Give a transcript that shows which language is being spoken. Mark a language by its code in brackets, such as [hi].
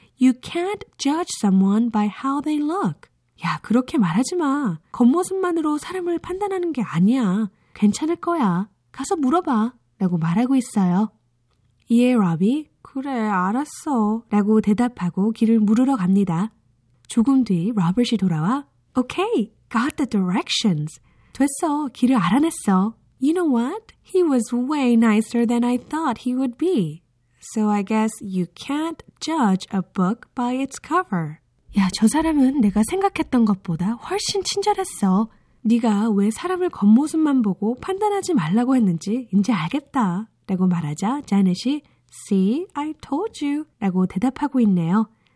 [en] You can't judge someone by how they look. [ko] 야, 그렇게 말하지 마. 겉모습만으로 사람을 판단하는 게 아니야. 괜찮을 거야. 가서 물어봐. 라고 말하고 있어요. 이에 로비, 그래, 알았어. 라고 대답하고 길을 물으러 갑니다. 조금 뒤 로버트이 돌아와, [en] Okay, got the directions. [ko] 됐어, 길을 알아냈어. [en] You know what? He was way nicer than I thought he would be. So I guess you can't judge a book by its cover. [ko] 야, 저 사람은 내가 생각했던 것보다 훨씬 친절했어. 네가 왜 사람을 겉모습만 보고 판단하지 말라고 했는지 이제 알겠다. 라고 말하자 자넷이 [en] See, I told you. [ko] 라고 대답하고 있네요.